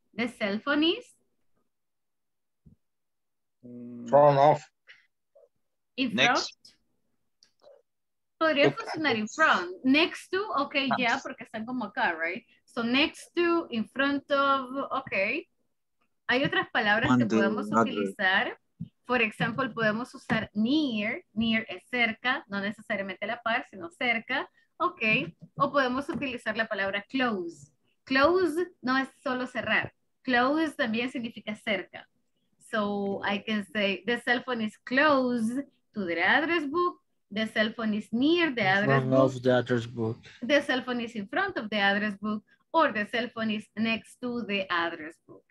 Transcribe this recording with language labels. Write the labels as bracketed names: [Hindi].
[English] The cell phone is? Thrown off. In front? [Spanish] Podría funcionar [English] in front. Next to, okay, yeah, [Spanish] porque están como acá, [English] right? So next to, in front of, okay. [Spanish] Hay otras palabras que podemos utilizar. [English] For example, [Spanish] podemos usar near. Near es cerca, no necesariamente a la par, sino cerca. Okay. O podemos utilizar la palabra close. Close no es solo cerrar. Close también significa cerca. [English] So I can say the cell phone is close to the address book. The cell phone is near the address book. Of the address book. The cell phone is in front of the address book. Or the cell phone is next to the address book.